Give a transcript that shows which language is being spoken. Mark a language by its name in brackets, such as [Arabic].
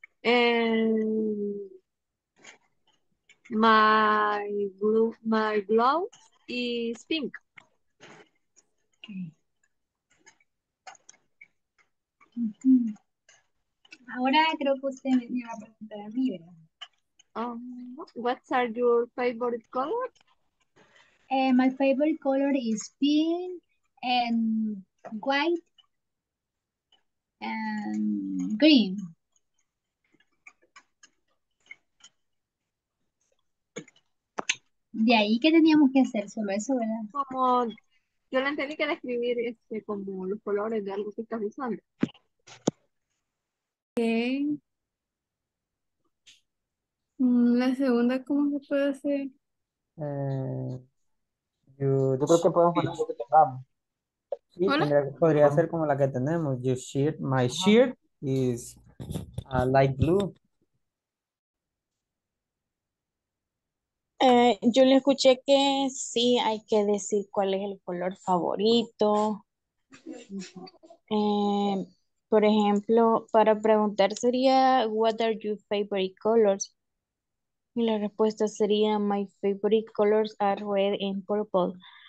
[English] And my blouse is pink. Okay. Mm-hmm. [Spanish] Ahora creo que usted me va a preguntar a mí. [English] What are your favorite colors? My favorite color is pink and white and green. [Spanish] De ahí que teníamos que hacer solo eso, ¿verdad? Como yo lo entendí que describir este como los colores de algo que estás usando. [English] Okay. [Spanish] La segunda, ¿cómo se puede hacer? Yo creo que podemos poner lo que tengamos. Sí, podría ser como la que tenemos. [English] Your shirt, my shirt is a light blue. [Spanish] Yo le escuché que sí, hay que decir cuál es el color favorito. Por ejemplo, para preguntar sería, [English] what are your favorite colors? [Spanish] Y la respuesta sería, [English] my favorite colors are red and purple.